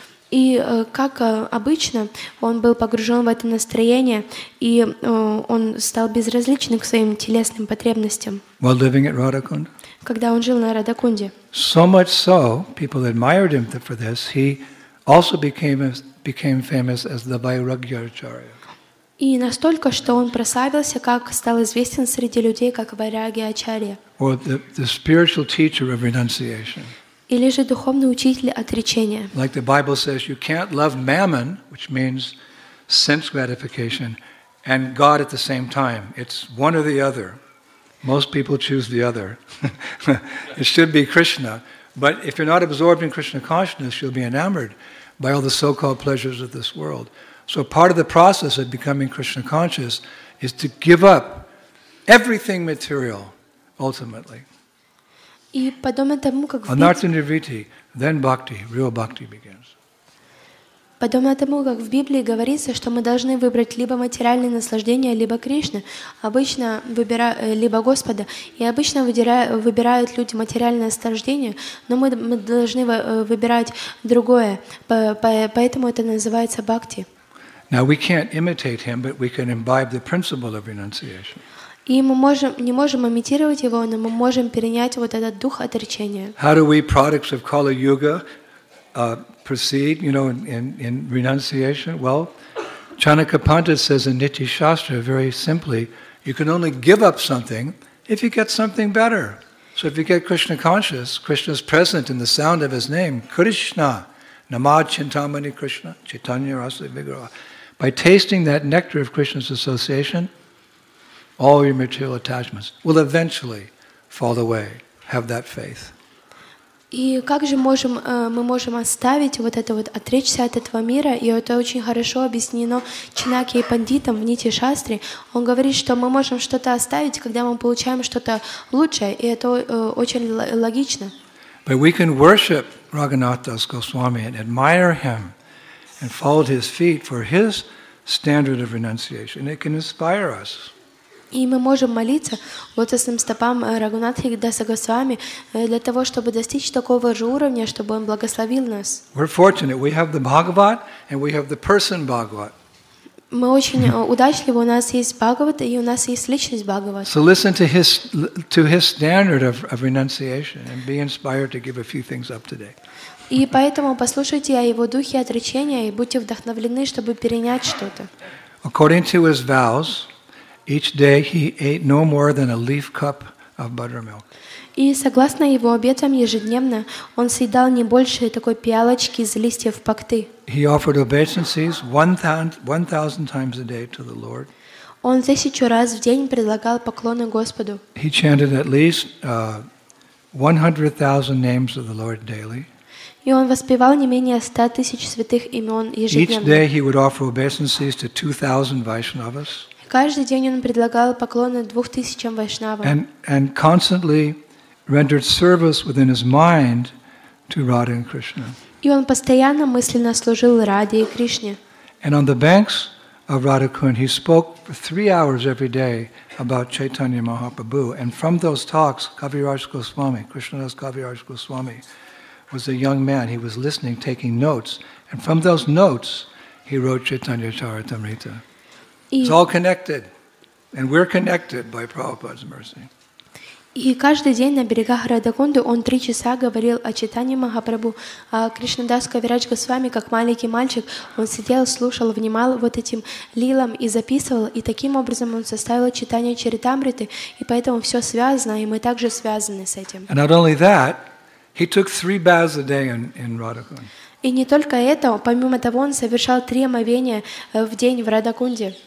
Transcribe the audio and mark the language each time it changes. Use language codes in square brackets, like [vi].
[ru] И как обычно, он был погружен в это настроение, и он стал безразличным к своим телесным потребностям. [en] While living at Radhakund. [ru] Когда он жил на Радхакунде. [en] So much so, people admired him for this. He also became famous as the Vairagya Acharya. [ru] И настолько, что он прославился, как стал известен среди людей как Вайрагья Ачарья. [en] Or the spiritual teacher of renunciation. [ru] Или же духовный учитель отречения. [en] Like the Bible says, you can't love mammon, which means sense gratification, and God at the same time. It's one or the other. Most people choose the other. It should be Krishna. But if you're not absorbed in Krishna consciousness, you'll be enamored by all the so-called pleasures of this world. So part of the process of becoming Krishna conscious is to give up everything material, ultimately. [ru] И подобно тому, как в [en] Анартинривити, then bhakti, real bhakti begins. [ru] Подобно тому, как в Библии говорится, что мы должны выбрать либо материальное наслаждение, либо Кришну, обычно либо Господа, и обычно выбирают люди материальное наслаждение, но мы должны выбирать другое, поэтому это называется бхакти. [en] Now we can't imitate him, but we can imbibe the principle of renunciation. [ru] И мы не можем имитировать его, но мы можем перенять вот этот дух отречения. [en] How do we products of Kali Yuga proceed, you know, in renunciation? Well, Chanaka Pandit says in Niti Shastra very simply, you can only give up something if you get something better. So if you get Krishna conscious, Krishna's present in the sound of his name, Krishna, Namah Chintamani Krishna, Chaitanya Rasa Vigraha. By tasting that nectar of Krishna's association, all your material attachments will eventually fall away. Have that faith. [ru] И как же можем, мы можем оставить вот это вот, отречься от этого мира? И это очень хорошо объяснено Чинакья и Пандитом в Нити Шастре. Он говорит, что мы можем что-то оставить, когда мы получаем что-то лучшее. И это очень логично. [en] But we can worship Raghunath Das Goswami and admire him and fall at his feet for his standard of renunciation. It can inspire us. [ru] И мы можем молиться вот этим стопам Рагхунатхи Даса Госвами для того, чтобы достичь такого же уровня, чтобы он благословил нас. [en] We're fortunate. We have the Bhagavat and we have the person Bhagavat. [ru] Мы очень удачливы. У нас есть Бхагават и у нас есть личность Бхагават. [en] So listen to his standard of renunciation and be inspired to give a few things up today. [ru] И поэтому послушайте о его духе отречения и будьте вдохновлены, чтобы перенять что-то. [en] According to his vows, each day he ate no more than a leaf cup of buttermilk. [ru] И согласно его обетам ежедневно он съедал не больше такой пиалочки из листьев пакты. [en] He offered obeisances 1,000 times a day to the Lord. [ru] Он 1,000 раз в день предлагал поклоны Господу. [en] He chanted at least 100,000 names of the Lord daily. [ru] И он воспевал не менее 100,000 святых имен ежедневно. [en] Each day he would offer obeisances to 2,000 Vaishnavas. [ru] Каждый день он предлагал поклоны 2,000 вайшнавам. [en] And constantly rendered service within his mind to Radha and Krishna. [ru] И он постоянно мысленно служил Раде и Кришне. [en] And on the banks of Radhakund, he spoke for 3 hours every day about Chaitanya Mahaprabhu. And from those talks, Kaviraj Goswami, Krishnadas Kaviraj Goswami, was a young man. He was listening, taking notes. And from those notes, he wrote Chaitanya Charitamrita. It's all connected, and we're connected by Prabhupada's mercy. [ru] И каждый день на берегах Радхакунды он 3 часа говорил о читании Махапрабху. Кришнадас Кавирадж Госвами, как маленький мальчик, он сидел, слушал, внимал вот этим лилам и записывал, и таким образом он составил читание Чаритамриты, и поэтому все связано, и мы также связаны с этим. [en] And not only that, he took 3 baths a day in Radhakund. [ru] И не только это, помимо того, он совершал 3 омовения в день в Радхакунде.